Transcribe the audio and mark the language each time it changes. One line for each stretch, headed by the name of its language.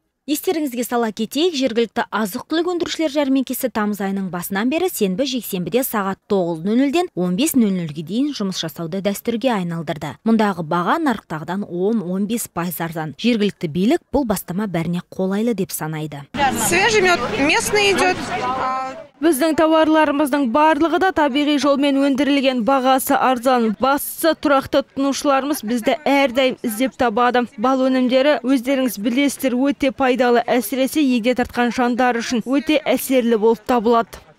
Kazakh: Естеріңізге сала кетейік, жергілікті азық-түлік өндірушілер жәрмеңкесі тамыз айының басынан бері сенбі жексенбіде сағат 9:00-ден 15:00-ге дейін жұмыс жасауды дәстүрге айналдырды. Мұндағы баға нарықтағыдан 10-15 пайыз арзан. Жергілікті билік бұл бастама бәріне қолайлы деп санайды.
Russian: Свежий мед местный идет.
Kazakh: Біздің тауарларымыздың барлығы да табиғи жолмен өндірілген, бағасы арзан. Бастысы тұрақты тұтынушыларымыз бізді әрдайым іздеп табады. Бал өнімдері өздеріңіз білесіздер, өте пайдалы, әсіресе егде тартқан жандар үшін өте әсерлі болып табылады.